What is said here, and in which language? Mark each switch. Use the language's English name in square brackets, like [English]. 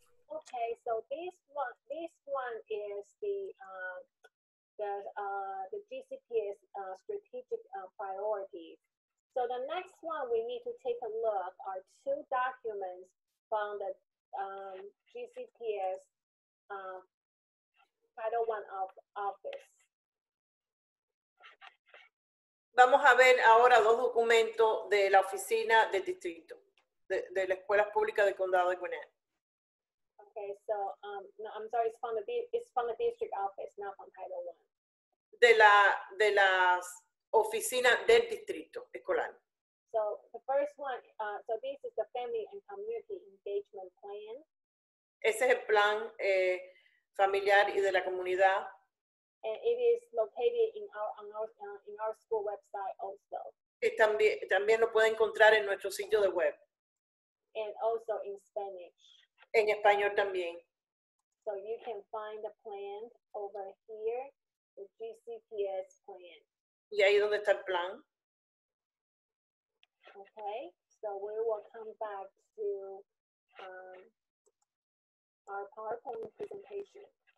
[English] Okay, so this one is the GCPS strategic priorities. So the next one we need to take a look are two documents from the GCPS Title I office. [Spanish] Vamos a ver ahora dos documentos de la oficina del distrito, de la escuela pública del condado de Gwinnett. [English] Okay, so, I'm sorry, it's from the district office, not from Title I. [Spanish] De la oficina del distrito escolar. [English] So, the first one, so this is the Family and Community Engagement Plan. [Spanish] Ese es el plan familiar y de la comunidad. [English] and it is located in our school website also. [Spanish] También lo pueden encontrar en nuestro sitio de web. [English] And also in Spanish. [Spanish] En español también. [English] So you can find the plan over here, the GCPS plan. [Spanish] ¿Y ahí dónde está el plan? [English] Okay, so we will come back to our PowerPoint presentation.